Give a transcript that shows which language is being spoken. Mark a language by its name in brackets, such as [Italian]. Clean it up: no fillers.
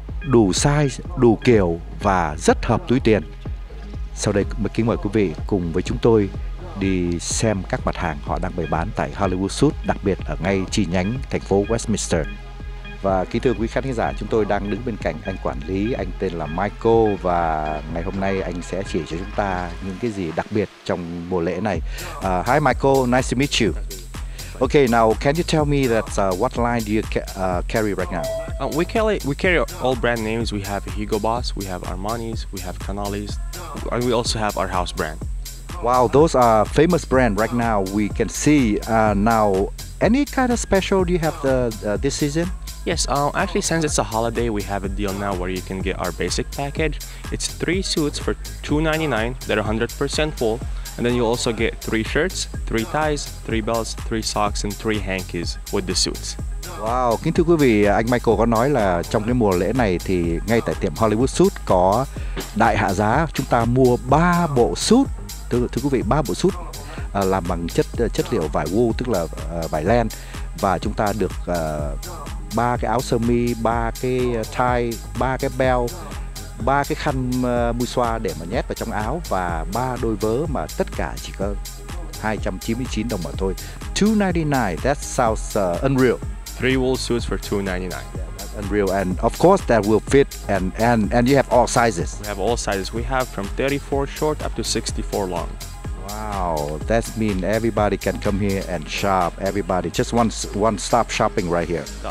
[Vietnamese] Đủ size, đủ kiểu và rất hợp túi tiền. Sau đây mời kính mời quý vị cùng với chúng tôi đi xem các mặt hàng họ đang bày bán tại Hollywood Suit, đặc biệt ở ngay chi nhánh thành phố Westminster. Và kính thưa quý khán giả, chúng tôi đang đứng bên cạnh anh quản lý, anh tên là Michael, và ngày hôm nay anh sẽ chỉ cho chúng ta những cái gì đặc biệt trong mùa lễ này. [English] Hi Michael, nice to meet you. Okay, now can you tell me that what line do you carry right now? We carry all brand names. We have Hugo Boss, we have Armani's, we have Canalis, and we also have our house brand. Wow, those are famous brands right now. We can see now. Any kind of special do you have this season? Yes, actually, since it's a holiday, we have a deal now where you can get our basic package. It's 3 suits for $299 that are 100% full, and then you also get 3 shirts, 3 ties, 3 belts, 3 socks, and 3 hankies with the suits. [Vietnamese] Wow, kính thưa quý vị, anh Michael có nói là trong cái mùa lễ này thì ngay tại tiệm Hollywood Suit có đại hạ giá, chúng ta mua 3 bộ suit. Thưa quý vị, 3 bộ suit làm bằng chất liệu vải wool, tức là vải len, và chúng ta được 3 cái áo sơ mi, 3 cái tie, 3 cái belt, 3 cái khăn mui xoa để mà nhét vào trong áo, và 3 đôi vớ mà tất cả chỉ có 299 đồng mà thôi. [English] $299, that sounds unreal. 3 wool suits for $299. Unreal, and of course that will fit, and you have all sizes. We have all sizes. We have from 34 short up to 64 long. Wow, that means everybody can come here and shop. Everybody just one stop shopping right here.